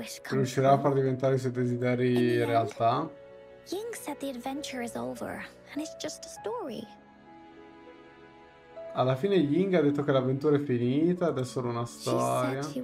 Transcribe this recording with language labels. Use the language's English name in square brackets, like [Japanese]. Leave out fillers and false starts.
[Italian] Riuscirà a far diventare i suoi desideri in realtà? [English] Ying said the adventure is over and it's just a story. [Italian] Alla fine Ying ha detto che l'avventura è finita ed è solo una storia.